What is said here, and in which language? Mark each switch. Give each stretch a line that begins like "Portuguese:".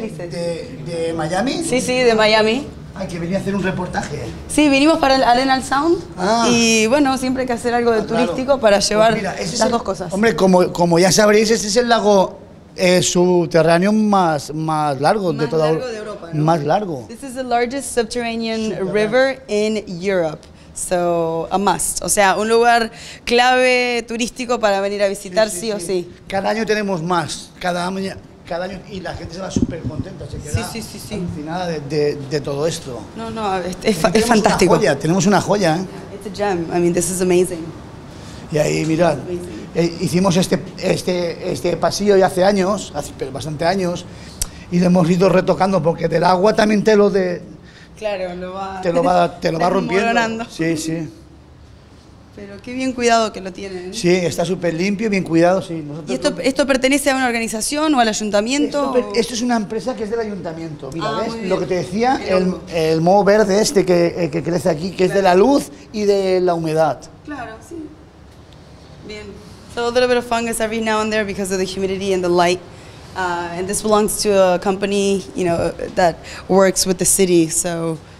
Spanish: ¿De Miami? Sí, de Miami. Ay, que venía a hacer un reportaje. Sí, vinimos para el Arenal Sound. Ah. Y bueno, siempre hay que hacer algo de turístico para llevar dos cosas. Hombre, como ya sabréis, ese es el lago subterráneo más largo de toda Europa. Más largo de Europa, ¿no? Más largo.
English: This is the largest subterranean river in Europe. So, a must.
Spanish: O sea, un lugar clave turístico para venir a visitar, sí o sí. Cada año tenemos más. Cada año, y la gente se va súper contenta, se queda alucinada de todo esto. No, es fantástico. Tenemos una joya.
English: It's a gem. I mean, this is amazing.
Spanish: Y ahí, mirad, hicimos este pasillo ya hace años, bastante años, y lo hemos ido retocando porque del agua también te lo de... Claro, lo va... Te lo va rompiendo. Sí, sí. Pero qué bien cuidado que lo tienen. Sí, está súper limpio, bien cuidado, sí. Nosotros... ¿Y esto pertenece a una organización o al ayuntamiento? Esto es una empresa que es del ayuntamiento. Mira, ¿ves? Lo que te decía, el moho verde este que crece aquí, que es de la luz y de la humedad. Claro, sí. Bien.
English: So a little bit of fungus every now and there because of the humidity and the light. And this belongs to a company, you know, that works with the city, so...